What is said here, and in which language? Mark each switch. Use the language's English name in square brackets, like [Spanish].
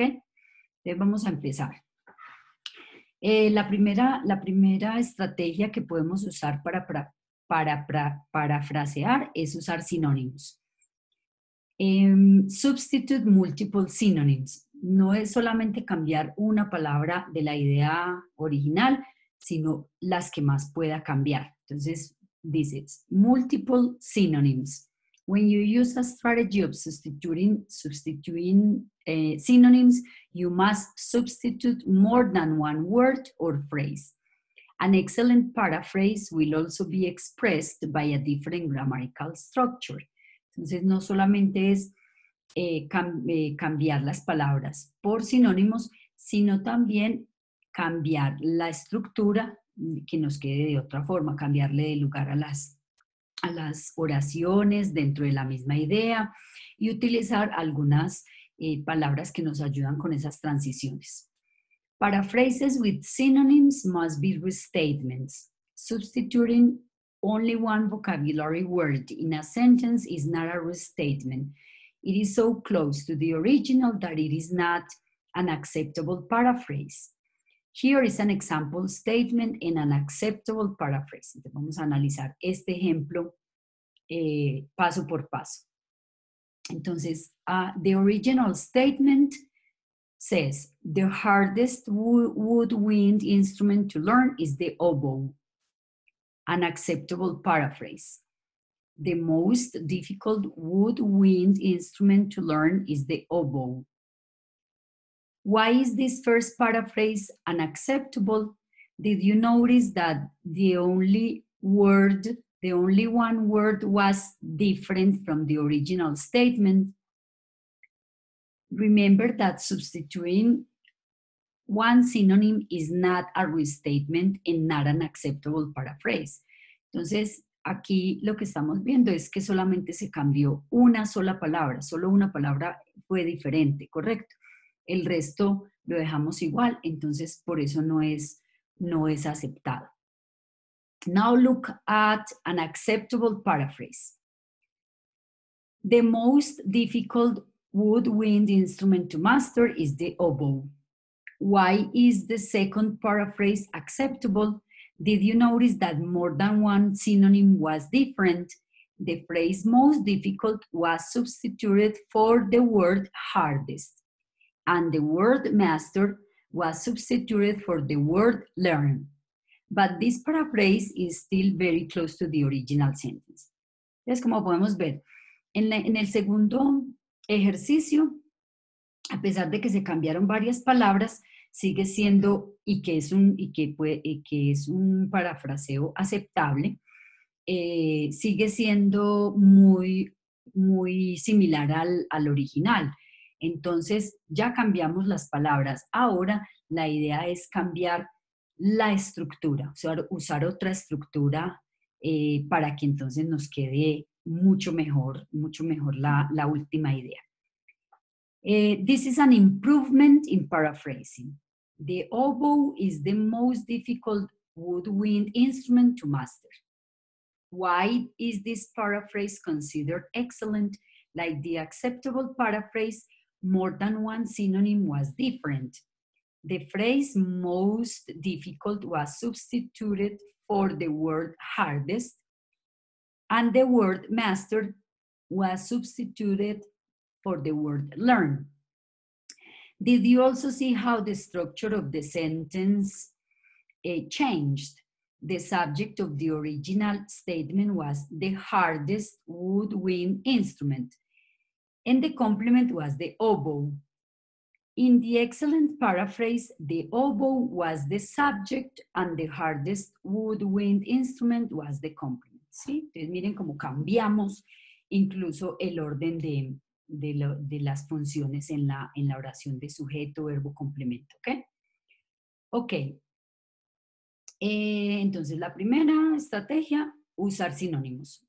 [Spanish] Entonces vamos a empezar. La primera estrategia que podemos usar para parafrasear es usar sinónimos. [English] Substitute multiple synonyms. [Spanish] No es solamente cambiar una palabra de la idea original, sino las que más pueda cambiar. Entonces, dices, [English] multiple synonyms. When you use a strategy of substituting synonyms, you must substitute more than one word or phrase. An excellent paraphrase will also be expressed by a different grammatical structure. Entonces, no solamente es cambiar las palabras por sinónimos, sino también cambiar la estructura que nos quede de otra forma, cambiarle de lugar a las oraciones dentro de la misma idea y utilizar algunas palabras que nos ayudan con esas transiciones. Paraphrases with synonyms must be restatements. Substituting only one vocabulary word in a sentence is not a restatement. It is so close to the original that it is not an acceptable paraphrase. Here is an example statement in an acceptable paraphrase. [Spanish] Vamos a analizar este ejemplo paso por paso. Entonces, [English] the original statement says, the hardest woodwind instrument to learn is the oboe. An acceptable paraphrase. The most difficult woodwind instrument to learn is the oboe. Why is this first paraphrase unacceptable? Did you notice that the only one word was different from the original statement? Remember that substituting one synonym is not a restatement and not an acceptable paraphrase. [Spanish] Entonces, aquí lo que estamos viendo es que solamente se cambió una sola palabra, solo una palabra fue diferente, ¿correcto? El resto lo dejamos igual, entonces por eso no es aceptado. [English] Now look at an acceptable paraphrase. The most difficult woodwind instrument to master is the oboe. Why is the second paraphrase acceptable? Did you notice that more than one synonym was different? The phrase most difficult was substituted for the word hardest. And the word master was substituted for the word learn. But this paraphrase is still very close to the original sentence. Entonces, como podemos ver, en el segundo ejercicio, a pesar de que se cambiaron varias palabras, sigue siendo, y que es un parafraseo aceptable, sigue siendo muy, muy similar al original. Entonces, ya cambiamos las palabras. Ahora, la idea es cambiar la estructura, o sea, usar otra estructura para que entonces nos quede mucho mejor la última idea. This is an improvement in paraphrasing. The oboe is the most difficult woodwind instrument to master. Why is this paraphrase considered excellent? Like the acceptable paraphrase, more than one synonym was different. The phrase most difficult was substituted for the word hardest, and the word master was substituted for the word learn. Did you also see how the structure of the sentence changed? The subject of the original statement was the hardest woodwind instrument, and the complement was the oboe. In the excellent paraphrase, the oboe was the subject and the hardest woodwind instrument was the complement. [Spanish] ¿Sí? Entonces miren cómo cambiamos incluso el orden de las funciones en la oración de sujeto, verbo, complemento. Ok. Okay. Entonces la primera estrategia, usar sinónimos.